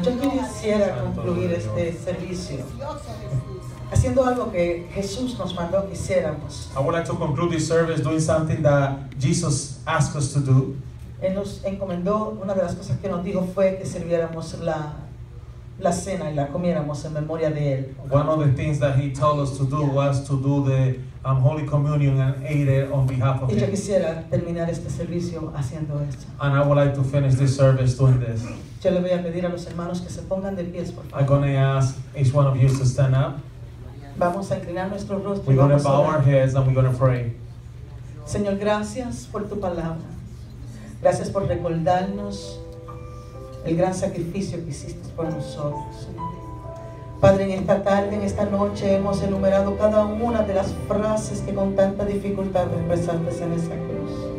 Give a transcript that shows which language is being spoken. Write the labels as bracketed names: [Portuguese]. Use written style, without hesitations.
[Spanish] Yo quisiera concluir este servicio haciendo algo que Jesús nos mandó que hiciéramos. [English] I would like to conclude this service doing something that Jesus asked us to do. [Spanish] Él nos encomendó, una de las cosas que nos dijo fue que sirviéramos la cena y la comiéramos en memoria de él. [English] One of the things that he told us to do was to do the Holy Communion and ate it on behalf of him. [Spanish] Y yo quisiera terminar este servicio haciendo esto. [English] And I would like to finish this service doing this. [Spanish] Yo le voy a pedir a los hermanos que se pongan de pies, por favor. [English] I'm going to ask each one of you to stand up. [Spanish] Vamos a inclinar nuestro rostro. [English] We're going to bow our heads and we're going to pray. [Spanish] Señor, gracias por tu palabra. Gracias por recordarnos el gran sacrificio que hiciste por nosotros. Padre, en esta tarde, en esta noche, hemos enumerado cada una de las frases que con tanta dificultad expresaste en esa cruz.